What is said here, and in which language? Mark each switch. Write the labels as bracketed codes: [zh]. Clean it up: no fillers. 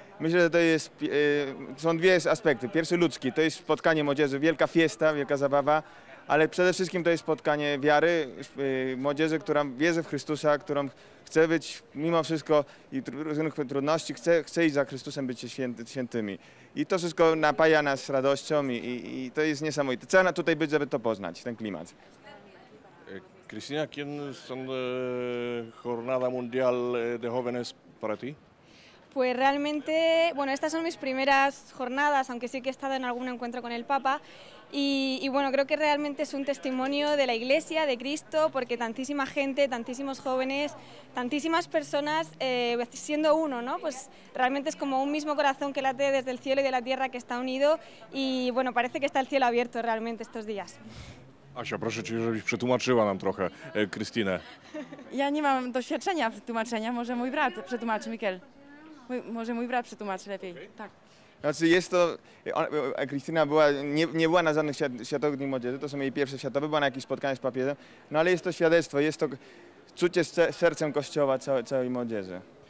[pl] Myślę, że to jest, są dwie aspekty. Pierwszy ludzki, to jest spotkanie młodzieży, wielka fiesta, wielka zabawa, ale przede wszystkim to jest spotkanie wiary młodzieży, która wierzy w Chrystusa, którą chce być mimo wszystko i różnych trudności, chce iść za Chrystusem, być świętymi. I to wszystko napaja nas radością i to jest niesamowite. Trzeba tutaj być, żeby to poznać, ten klimat. [es] Krystyna, ¿quién son Jornada Mundial de Jóvenes para ti? Pues realmente, bueno, estas son mis primeras jornadas, aunque sí que he estado en algún encuentro con el Papa. Y bueno, creo que realmente es un testimonio de la Iglesia, de Cristo, porque tantísima gente, tantísimos jóvenes, tantísimas personas, siendo uno, ¿no? Pues realmente es como un mismo corazón que late desde el cielo y de la tierra que está unido. Y bueno, parece que está el cielo abierto realmente estos días. [pl] Asia, proszę cię, żebyś przetłumaczyła nam trochę Krystynę. Ja nie mam doświadczenia w tłumaczeniu, może mój brat przetłumaczy, Mikel. Może mój brat przetłumaczy lepiej. Tak. Znaczy jest to, Krystyna była, nie była na żadnych Światowych Dni Młodzieży, to są jej pierwsze światowe, była na jakichś spotkaniach z papieżem, no ale jest to świadectwo, jest to czucie sercem Kościoła całej młodzieży.